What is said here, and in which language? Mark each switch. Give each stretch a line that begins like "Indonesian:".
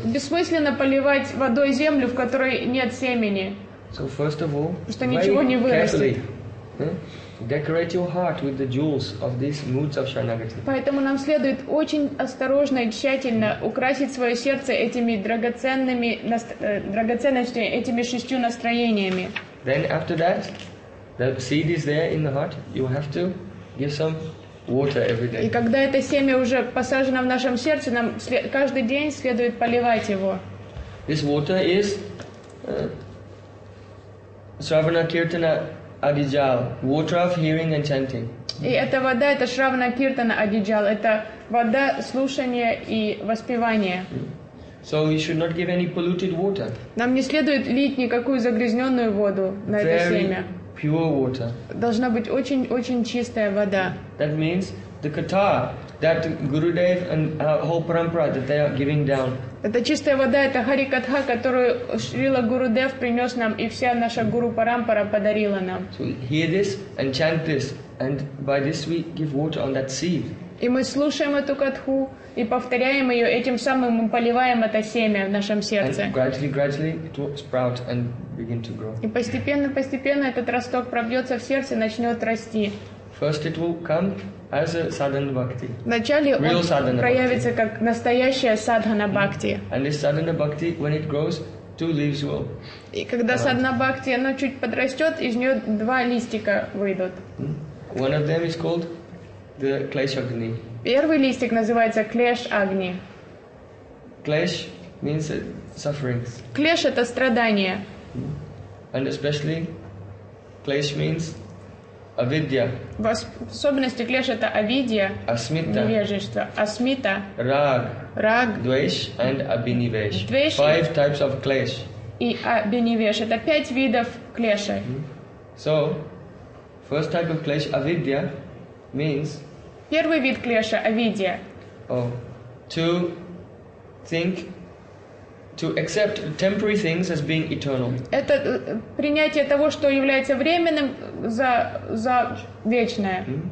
Russian: Бессмысленно поливать водой землю, в которой нет семени.
English: So first of all,
Russian: что ничего не вырастет.
English: Decorate your heart with the jewels of these moods of Sharanagati.
Russian: Поэтому нам следует очень осторожно и тщательно украсить свое сердце этими драгоценностями, этими шестью настроениями.
English: Then after that, the seed is there in the heart. You have to give some water every day.
Russian: И когда это семя уже посажено в нашем сердце, нам каждый день следует поливать его.
English: This water is Shravana Kirtana Adijal, water of hearing and chanting.
Russian: И эта вода, это Shravana Kirtana Adijal, это вода слушания и воспевания.
English: So we should not give any polluted water.
Russian: Нам не следует лить никакую загрязненную воду на
English: Very
Russian: это семя.
English: Pure water.
Russian: Должна быть очень-очень чистая вода.
English: That means the kata that Gurudev and whole parampara that they are giving down.
Russian: Это чистая вода, это Харикатха, которую Шрила Гурудев принес нам и вся наша Гуру Парампара подарила нам.
English: So hear this and chant this, and by this we give water on that seed.
Russian: И мы слушаем эту катху и повторяем ее, этим самым мы поливаем это семя в нашем сердце.
English: And gradually it will sprout and begin to grow.
Russian: И постепенно этот росток пробьется в сердце и начнет расти.
English: First it will come as a sadhana bhakti.
Russian: Вначале
English: real
Russian: он проявится как настоящая садхана бхакти.
English: And this sadhana bhakti, when it grows, two leaves will.
Russian: И когда садхана бхакти, она чуть подрастет, из нее два листика выйдут.
English: One of them is called the klesh agni.
Russian: Первый листик называется клеш агни.
English: Клеш means sufferings.
Russian: Клеш это страдание.
English: And especially клеш means авидья.
Russian: В особенности клеш это авидья, асмита, невежество, асмита,
English: раг, двейш and абинивеш. Five types of клеш.
Russian: И абинивеш это пять видов клеша.
English: So, first type of клеш авидья means.
Russian: Первый вид клеша авидья.
English: Oh, to think. To accept temporary things as being eternal.
Russian: Это принятие того, что является временным, за вечное.